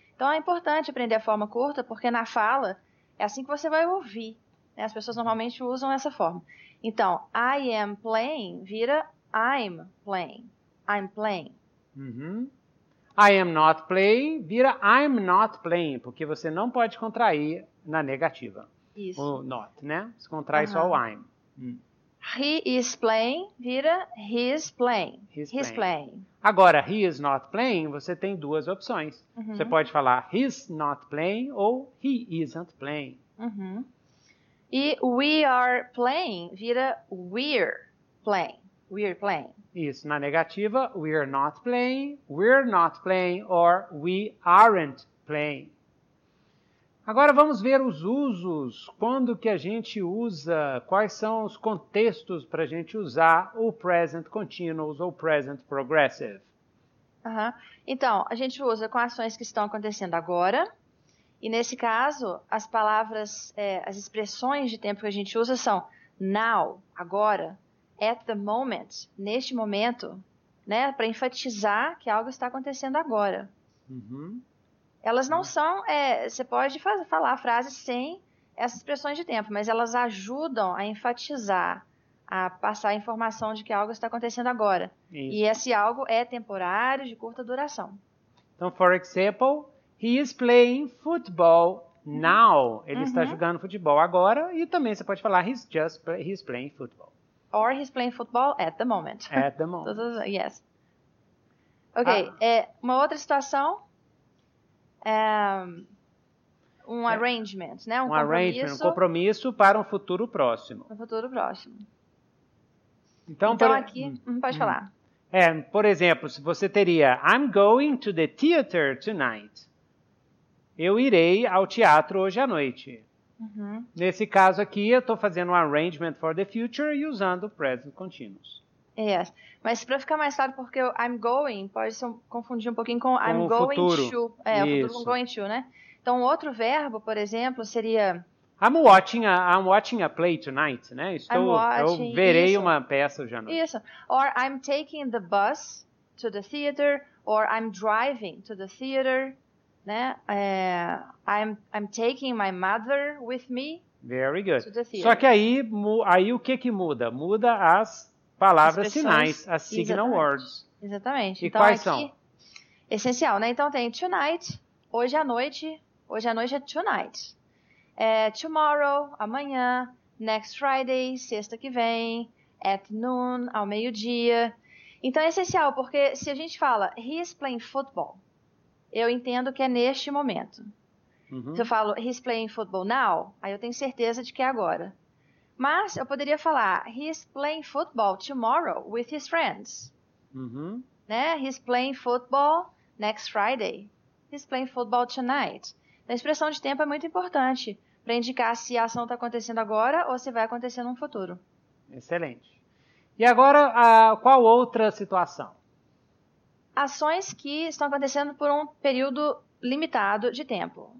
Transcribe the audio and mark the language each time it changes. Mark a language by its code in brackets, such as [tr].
[pt] Então, é importante aprender a forma curta, porque na fala é assim que você vai ouvir. Né? As pessoas normalmente usam essa forma. Então, [en] I am playing [pt] vira [en] I'm playing. I'm playing. Uhum. I am not playing [pt] vira [en] I'm not playing, [pt] porque você não pode contrair na negativa. Isso. O not, né? Se contrai uhum. só o I'm. [en] He is playing vira he's playing. He's playing. [pt] Agora, [en] he is not playing, [pt] você tem duas opções. Uhum. Você pode falar [en] he's not playing [pt] ou [en] he isn't playing. Uhum. E we are playing vira we're playing. We're playing. [pt] Isso, na negativa, [en] we're not playing, we're not playing, or we aren't playing. [pt] Agora vamos ver os usos, quando que a gente usa, quais são os contextos para a gente usar o present continuous ou present progressive. Uhum. Então, a gente usa com ações que estão acontecendo agora, e nesse caso, as palavras, as expressões de tempo que a gente usa são now, agora, at the moment, neste momento, né, para enfatizar que algo está acontecendo agora. Uhum. Elas não são, você pode falar a frase sem essas expressões de tempo, mas elas ajudam a enfatizar, a passar a informação de que algo está acontecendo agora. Isso. E esse algo é temporário, de curta duração. [en] Então, for example, he is playing football now. [pt] Ele uhum. está jogando futebol agora e também você pode falar [en] he's playing football. Or he's playing football at the moment. At the moment. Yes. Ok, uma outra situação. [pt] Um arrangement, né? Um arrangement, um compromisso para um futuro próximo. Um futuro próximo. Então, pode falar. É, por exemplo, se você teria [en] I'm going to the theater tonight. [pt] Eu irei ao teatro hoje à noite. Uhum. Nesse caso aqui, eu estou fazendo um [en] arrangement for the future [pt] e usando o present continuous. [en] Yes. [pt] Mas para ficar mais claro, porque o I'm going pode se confundir um pouquinho com I'm com o [en] going [pt] futuro. To. É, isso. O futuro com going to, né? Então, outro verbo, por exemplo, seria... [en] I'm watching a play tonight, né? [pt] Eu verei isso. uma peça hoje à noite. Isso. [en] Or I'm taking the bus to the theater, or I'm driving to the theater, né? I'm taking my mother with me Very good. To the theater. [pt] Só que aí o que que muda? Muda as... Palavras sinais, as signal Exatamente. [en] Words. [pt] Exatamente. E então, quais aqui, são? Essencial, né? Então tem tonight, hoje à noite é tonight. É, tomorrow, amanhã, next Friday, sexta que vem, at noon, ao meio-dia. Então é essencial, porque se a gente fala, [en] he is playing football, [pt] eu entendo que é neste momento. Uhum. Se eu falo, [en] he is playing football now, [pt] aí eu tenho certeza de que é agora. Mas eu poderia falar, [en] he is playing football tomorrow with his friends. Uhum. [pt] Né? [en] He is playing football next Friday. He is playing football tonight. [pt] A expressão de tempo é muito importante para indicar se a ação está acontecendo agora ou se vai acontecer no futuro. Excelente. E agora, qual outra situação? Ações que estão acontecendo por um período limitado de tempo.